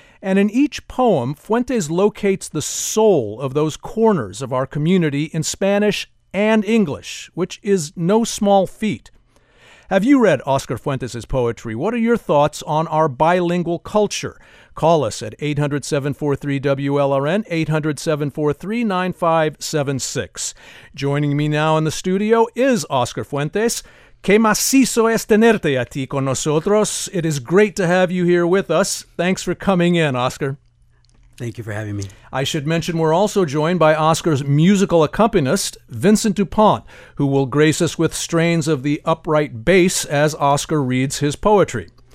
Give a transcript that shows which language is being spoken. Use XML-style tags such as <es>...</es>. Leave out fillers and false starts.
<en>And in each poem, Fuentes locates the soul of those corners of our community in Spanish and English, which is no small feat. Have you read Oscar Fuentes' poetry? What are your thoughts on our bilingual culture? Call us at 800-743-WLRN, 800-743-9576. Joining me now in the studio is Oscar Fuentes.</en> <es>Qué macizo es tenerte a ti con nosotros.</es> <en>It is great to have you here with us. Thanks for coming in, Oscar. Thank you for having me. I should mention we're also joined by Oscar's musical accompanist, Vincent DuPont, who will grace us with strains of the upright bass as Oscar reads his poetry.</en>